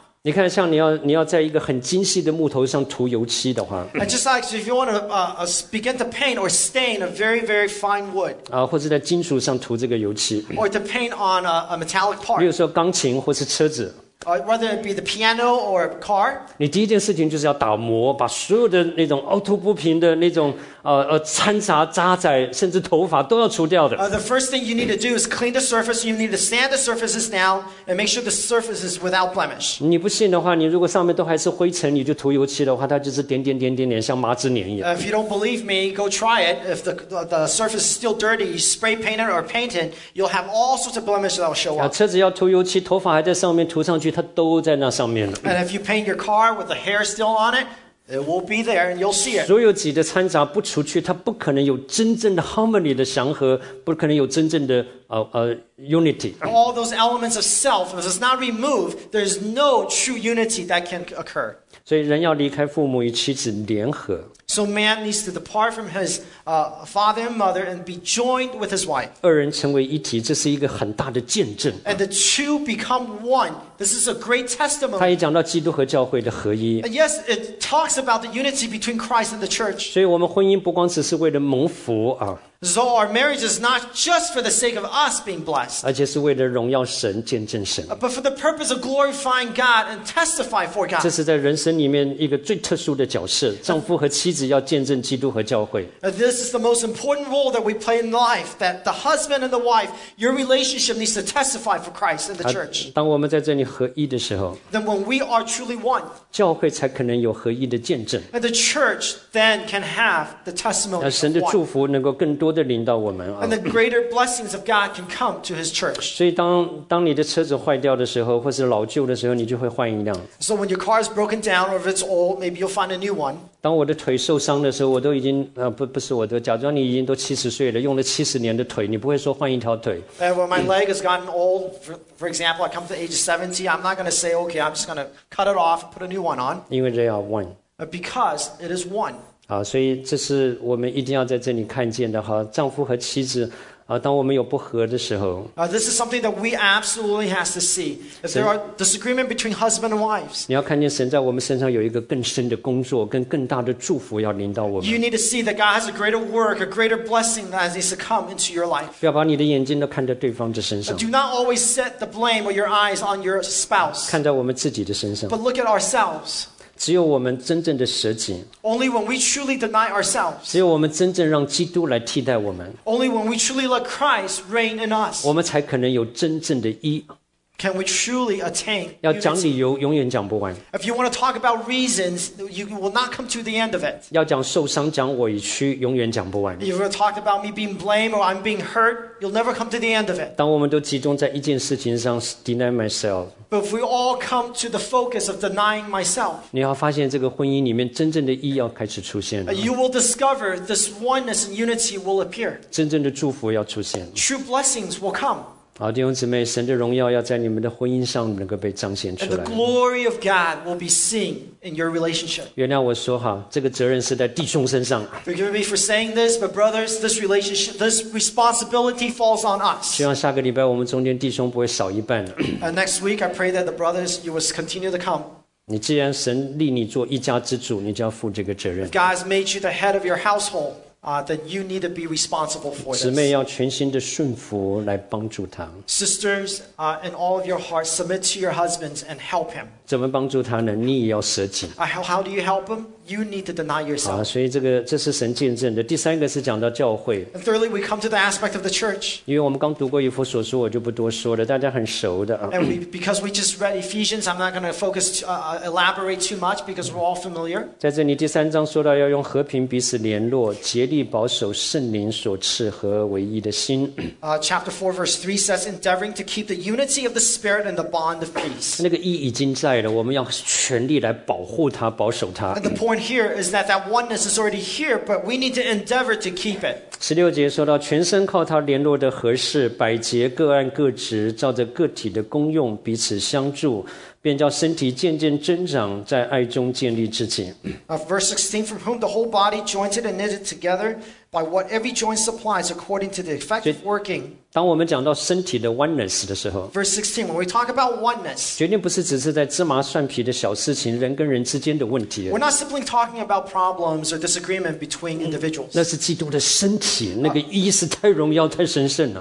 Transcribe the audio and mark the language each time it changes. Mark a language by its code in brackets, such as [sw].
[zh] 你看，像你要在一个很精细的木头上涂油漆的话 [en] ，And just like if you want to begin to paint or stain a very very fine wood， [zh] 或者在金属上涂这个油漆 [en] ，or to paint on a metallic part， [zh] 比如说钢琴或是车子。 [en] Whether it be the piano or car, [zh] 你第一件事情就是要打磨，把所有的那种凹凸不平的那种掺杂渣滓，甚至头发都要除掉的。 [en] The first thing you need to do is clean the surface. You need to sand the surfaces down and make sure the surface is without blemish. [zh] 你不信的话，你如果上面都还是灰尘，你就涂油漆的话，它就是点点点点点，像麻子脸一样。 [en] If you don't believe me, go try it. If the surface is still dirty, you spray paint it or paint it, you'll have all sorts of blemish that will show up. [zh] 车子要涂油漆，头发还在上面涂上去。它都在那上面了。 [en] And if you paint your car with the hair still on it, it will be there and you'll see it. [zh] 所有挤的掺杂不除去，它不可能有真正的 harmony 的祥和，不可能有真正的 [en] unity. All those elements of self, if it's not removed, there's no true unity that can occur. [zh] 所以人要离开父母与妻子联合。 [en] So man needs to depart from his father and mother and be joined with his wife. [zh] 二人成为一体，这是一个很大的见证。 [en] And the two become one. This is a great testimony. [zh] 他也讲到基督和教会的合一。 [en] And yes, it talks about the unity between Christ and the church. [zh] 所以我们婚姻不光只是为了蒙福啊。 [en] So our marriage is not just for the sake of us being blessed. [zh] 而且是为了荣耀神，见证神。 [en] But for the purpose of glorifying God and testify for God. [zh] 这是在人生里面一个最特殊的角色，丈夫和妻子要见证基督和教会。 [en] This is the most important role that we play in life, that the husband and the wife, your relationship needs to testify for Christ and the church. [zh] 当我们在这里合一的时候， [en] then when we are truly one, [zh] 教会才可能有合一的见证。 [en] And the church then can have the testimony. [zh] 让神的祝福能够更多的临到我们。 [en] And the greater blessings of God can come to His church. [zh] 所以当你的车子坏掉的时候，或是老旧的时候，你就会换一辆。 [en] So when your car is broken down, or if it's old, maybe you'll find a new one. [zh] 当我的腿受伤的时候，我都已经不是我的，假装你已经都七十岁了，用了七十年的腿，你不会说换一条腿。 [en] And when my leg has gotten old, for example, I come to the age of 70, I'm not going to say, okay, I'm just going to cut it off, put a new one on. [zh] 因为 [en] they are one. Because it is one. [zh] 好，所以这是我们一定要在这里看见的哈，丈夫和妻子。当我们有不和的时候 [en] This is something that we absolutely have to see. If there are disagreement between husband and wives, [zh] 你要看见神在我们身上有一个更深的工作，跟更大的祝福要临到我们。 [en] You need to see that God has a greater work, a greater blessing that needs to come into your life. [zh] 不要把你的眼睛都看在对方的身上。 [en] Do not always set the blame or your eyes on your spouse. [zh] 看在我们自己的身上。 [en] But look at ourselves. [zh] 只有我们真正的舍己。 [en] Only when we truly deny ourselves. [zh] 只有我们真正让基督来替代我们。 [en] Only when we truly let Christ reign in us. [zh] 我们才可能有真正的一。 [en] Can we truly attain? [zh] 要讲理由永远讲不完。 [en] If you want to talk about reasons, you will not come to the end of it. [zh] 要讲受伤，讲委屈，永远讲不完。 [en] If you want to talk about me being blamed or I'm being hurt, you'll never come to the end of it. [zh] 当我们都集中在一件事情上 [en] deny myself. But if we all come to the focus of denying myself, [zh] 你要发现这个婚姻里面真正的意义要开始出现了。 [en] You will discover this oneness and unity will appear. [zh] 真正的祝福要出现了。 [en] True blessings will come. [zh] 好，弟兄姊妹，神的荣耀要在你们的婚姻上能够被彰显出来。 [en] And the glory of God will be seen in your relationship. [zh] 原谅我说哈，这个责任是在弟兄身上。 [en] Forgive me for saying this, but brothers, this relationship, this responsibility falls on us. [zh] 希望下个礼拜我们中间弟兄不会少一半。 [en] And next week, I pray that the brothers, you will continue to come. [zh] 你既然神立你做一家之主，你就要负这个责任。 [en] If God has made you the head of your household, then you need to be responsible for this. [zh] 姊妹要全心的顺服来帮助他。 [en] Sisters, in all of your hearts, submit to your husbands and help him. [zh] 怎么帮助他呢？你也要舍己。 [en] How do you help him? You need to deny yourself. [zh] 所以这是神见证的。第三个是讲到教会。 [en] And thirdly, we come to the aspect of the church. [zh] 因为我们刚读过以弗所书，我就不多说了，大家很熟的。 [en] And because we just read Ephesians, I'm not going to focus, elaborate too much because we're all familiar. [zh] 在这里第三章说到要用和平彼此联络，竭力保守圣灵所赐和唯一的心。 [en] Chapter 4, verse 3 says, endeavoring to keep the unity of the spirit and the bond of peace. [zh] 那个一已经在了，我们要全力来保护它，保守它。 [en] And the point here is that that oneness is already here, but we need to endeavor to keep it. [zh] 十六节说到全身靠他联络的合适，百节各按各职，照着个体的功用彼此相助，便叫身体渐渐增长，在爱中建立自己。 [en] Verse 16, from whom the whole body jointed and knitted together by what every joint supplies according to the effect of working. [zh] 当我们讲到身体的 oneness 的时候， [en] Verse 16, when we talk about oneness, [zh] 绝对不是只是在芝麻蒜皮的小事情，人跟人之间的问题。 [en] We're not simply talking about problems or disagreement between individuals. [zh] 那是基督的身体，那个一是太荣耀太神圣了。